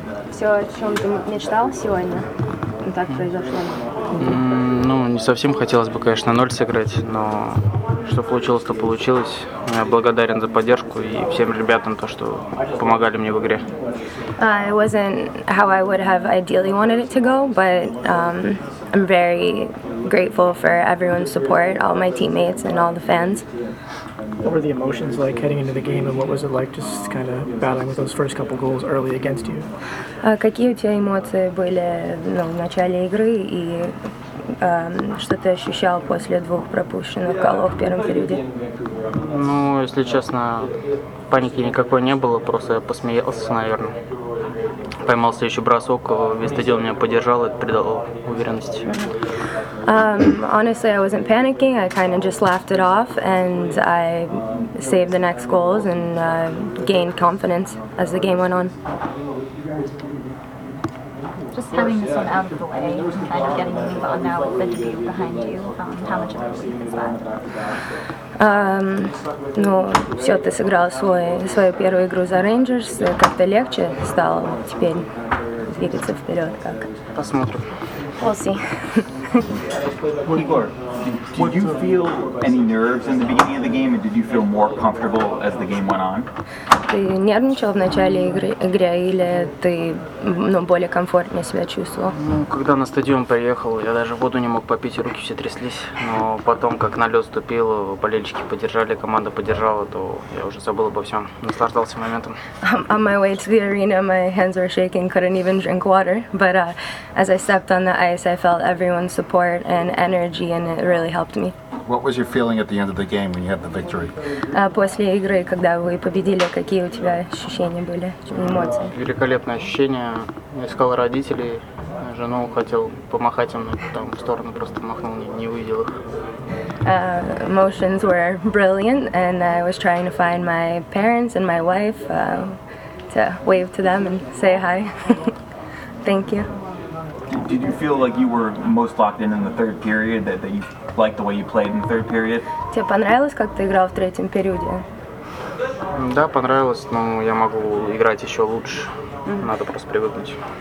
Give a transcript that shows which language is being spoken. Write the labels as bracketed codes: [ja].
[ru] Все, о чем ты мечтал сегодня, так произошло? Ну, не совсем. Хотелось бы, конечно, ноль сыграть, но что получилось, то получилось. Я благодарен за поддержку и всем ребятам, то, что помогали мне в игре. [en] It wasn't how I would have ideally wanted it to go, but I'm very grateful for everyone's support, all my teammates and all the fans. What were the emotions like heading into the game, and what was it like just kind of battling with those first couple goals early against you? [ru] Какие у тебя эмоции были в начале игры и что ты ощущал после двух пропущенных голов в первом периоде? Ну, если честно, паники никакой не было, просто я посмеялся, наверное. Поймал следующий бросок, весь стадион меня поддержал, это придало уверенности. [en] Honestly, I wasn't panicking, I kind of just laughed it off, and I saved the next goals and gained confidence as the game went on. Just having this one out of the way and kind of getting the move on now with the debut behind you, how much of a relief is that? [ru] Ну, все, ты сыграл свою первую игру за Rangers, как-то легче стало теперь двигаться вперед, как? Посмотрим. [en] We'll see. Igor, did you feel any nerves in the beginning of the game, or did you feel more comfortable as the game went on? [ru] Ты нервничал в начале игры или ты более комфортнее себя чувствовал? Ну, когда на стадион приехал, я даже воду не мог попить, руки все тряслись. Но потом, как на лед ступил, болельщики поддержали, команда поддержала, то я уже забыл обо всем, наслаждался моментом. [en] On my way to the arena, my hands were shaking, couldn't even drink water. But as I stepped on the ice, I felt everyone's support and energy, and it really helped me. What was your feeling at the end of the game when you had the victory? [ru] После игры, когда вы победили, какие у тебя ощущения были, эмоции? Великолепное ощущение. Искал родителей, жену, хотел помахать им, но там в сторону просто махнул, не увидел их. [en] Emotions were brilliant, and I was trying to find my parents and my wife to wave to them and say hi. Thank you. Did you feel like you were most locked in the third period, that you liked the way you played in the third period? [ru] Тебе понравилось, как ты играл в третьем периоде? Да, понравилось, но я могу играть еще лучше. Надо просто привыкнуть.